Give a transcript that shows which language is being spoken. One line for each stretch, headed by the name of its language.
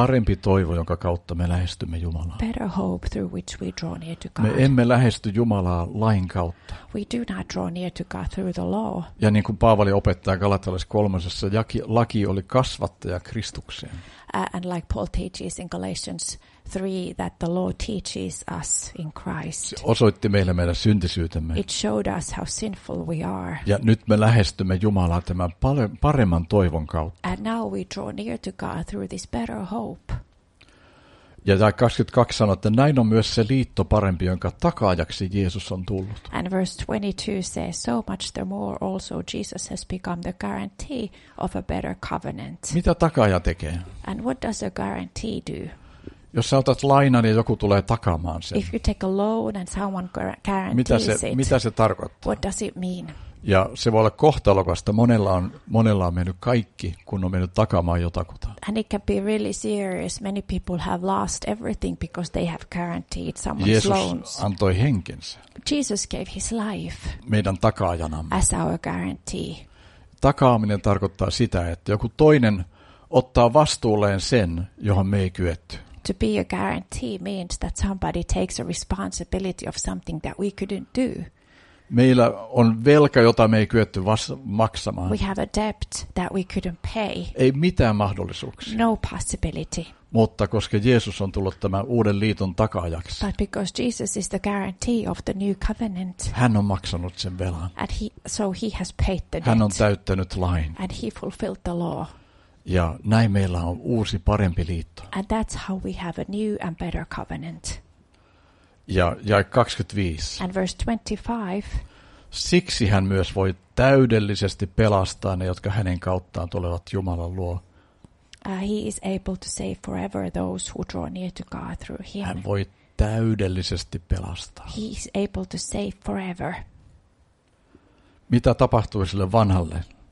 Finnish: Parempi toivo, jonka kautta me lähestymme Jumalaa.
English: Better hope through which we draw near to God.
Finnish: Me emme lähesty Jumalaa lain kautta.
English: We do not draw near to God through the law.
Finnish: Ja niin kuin Paavali opettaa Galatialaiskolmosessa, laki oli kasvattaja Kristukseen.
English: And like Paul teaches in Galatians 3, that the law teaches us in Christ.
Finnish: Se osoitti meille meidän syntisyytemme.
English: It showed us how sinful we are.
Finnish: Ja nyt me lähestymme Jumalaa tämän paremman toivon kautta.
English: And now we draw near to God through this better hope.
Finnish: Ja tämä 22 sanoo, että näin on myös se liitto parempi, jonka takaajaksi Jeesus on tullut.
English: And verse 22 says, so much the more also Jesus has become the guarantee of a better covenant.
Finnish: Mitä takaaja tekee?
English: And what does a guarantee do?
Finnish: Jos sä otat lainan ja joku tulee takaamaan sen.
English: If you take a loan and someone guarantees
Finnish: mitä se tarkoittaa?
English: What does it mean?
Finnish: Ja se voi olla kohtalokasta. Monella on mennyt kaikki, kun on mennyt takaamaan jotakuta.
English: And it can be really serious. Many people have lost everything because they have guaranteed someone's
Finnish: Jeesus
English: loans.
Finnish: Jeesus antoi henkensä.
English: Jesus gave his life.
Finnish: Meidän takaajanamme.
English: As our guarantee.
Finnish: Takaaminen tarkoittaa sitä, että joku toinen ottaa vastuulleen sen, johon me ei kyetty.
English: To be a guarantee means that somebody takes a responsibility of something that we couldn't do.
Finnish: Meillä on velka, jota me ei kyetty maksamaan.
English: We have a debt that we couldn't pay.
Finnish: Ei mitään mahdollisuuksia.
English: No possibility.
Finnish: Mutta koska Jeesus on tullut tämän uuden liiton takaajaksi.
English: But because Jesus is the guarantee of the new covenant.
Finnish: Hän on maksanut sen velan.
English: And he has paid the debt.
Finnish: Hän on täyttänyt lain.
English: And he fulfilled the law.
Finnish: Ja näin meillä on uusi parempi liitto.
English: And that's how we have a new and better covenant.
Finnish: Ja 25.
English: And verse 25.
Finnish: Siksi hän myös voi täydellisesti pelastaa ne, jotka hänen kauttaan tulevat Jumalan luo.
English: He is able to save forever those who draw near to God through him.
Finnish: Hän voi täydellisesti pelastaa.
English: He is able to save forever.
Finnish: Mitä tapahtui sille vanhalle?